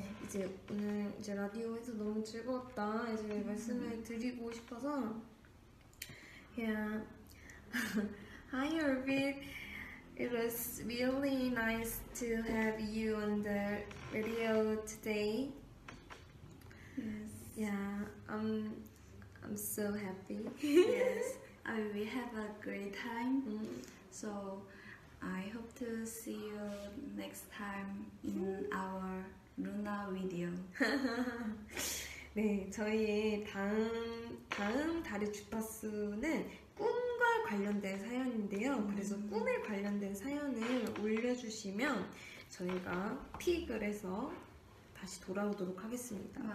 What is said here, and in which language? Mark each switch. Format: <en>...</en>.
<ko>이제 오늘 이제 라디오에서 너무 즐거웠다 이제 말씀을 드리고 싶어서 yeah.</ko> <en>Hi Orbit, it was really nice to have you on the radio today. Yes. Yeah. I'm so happy. Yes. We have a great time. So I hope to see you next time in our Luna video.</en> <ko>네, 저희의 다음 달의 주파수는 꿈과 관련된 사연인데요. 그래서 꿈에 관련된 사연을 올려주시면 저희가 픽을 해서 다시 돌아오도록 하겠습니다. 맞아요.</ko>